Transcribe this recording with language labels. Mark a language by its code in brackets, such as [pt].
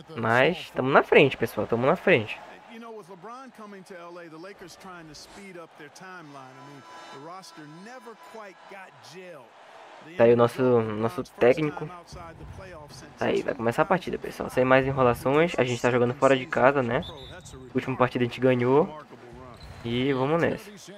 [pt] Mas estamos na frente, pessoal, estamos na frente. [en] LeBron coming to LA, the Lakers trying to speed up their timeline. I mean, the roster never quite got gel. [pt] Tá aí o nosso técnico. Tá aí, vai começar a partida, pessoal. Sem mais enrolações, a gente tá jogando fora de casa, né? Última partida a gente ganhou. E vamos nessa.